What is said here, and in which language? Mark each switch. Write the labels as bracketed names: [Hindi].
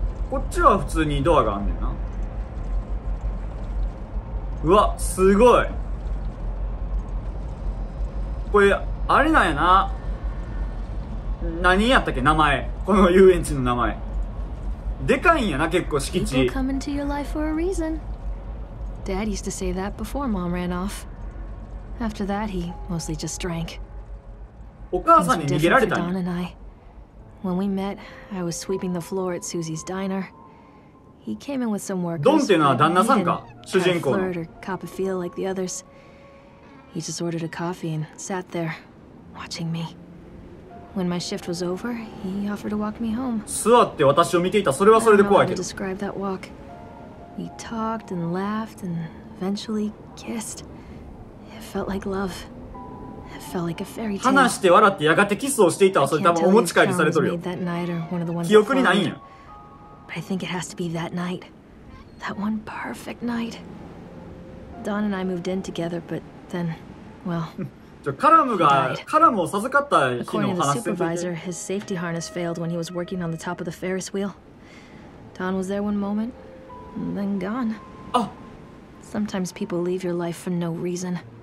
[Japanese] こっちは普通にドアがあんねんな。うわ、すごい。これ、あれなんやな。何やったっけ、名前。この遊園地の名前。でかいんやな、結構敷地。 [English] People come into your life for a reason. Dad used to say that before Mom ran off. After that, he mostly just drank. Things were different for Don and I. When we met, I was sweeping the floor at Susie's diner. He came in with some work. [Japanese] Don っていうのは旦那さんか、主人公。 [English] Flirt or cop a feel like the others. He just ordered a coffee and sat there, watching me. When my shift was over, he offered to walk me home. [Japanese] 座って私を見ていた。それはそれで怖いけど。 [English] How to describe that walk? We talked and laughed and eventually kissed. It felt like love. It felt like a fairy tale. [Japanese] 話して笑ってやがてキスをしていたわ。それ多分お持ち帰りされとるよ。記憶にないんや。 [English] But I think it has to be that night. That one perfect night. Don and I moved in together, but then, well, [Japanese] カラムを授かった日の話。 [English] According to the supervisor, his safety harness failed when he was working on the top of the Ferris wheel. Don was there one moment. And then gone. Oh. Sometimes people leave your life for no reason.